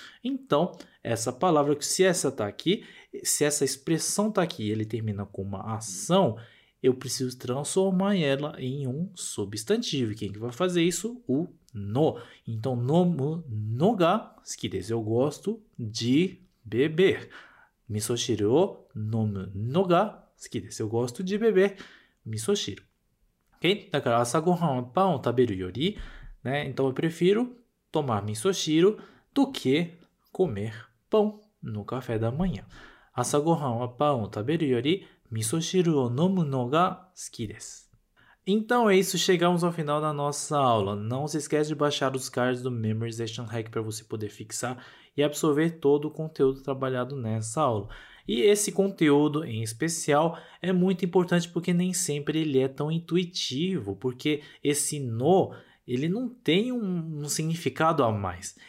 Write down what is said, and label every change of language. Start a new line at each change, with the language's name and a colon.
Portuguese: Então, essa palavra, se essa está aqui, se essa expressão está aqui, ele termina com uma ação, eu preciso transformar ela em um substantivo. Quem que vai fazer isso? O no. Então,
Japanese: nomu no ga suki desu.
Portuguese: Eu gosto de beber.
Japanese: Miso shiru wo nomu no ga suki desu.
Portuguese: Eu gosto de beber miso shiru. Okay?
Japanese: Da から朝ごはんパンを食べるより、né?
Portuguese: Então eu prefiro tomar miso shiru do que comer pão no café da manhã.
Japanese: 朝ごはんパンを食べるより味噌汁を飲むのが好きです。
Portuguese: Então é isso, chegamos ao final da nossa aula. Não se esquece de baixar os cards do Memorization Hack para você poder fixar e absorver todo o conteúdo trabalhado nessa aula. E esse conteúdo em especial é muito importante porque nem sempre ele é tão intuitivo, porque esse no, ele não tem um significado a mais.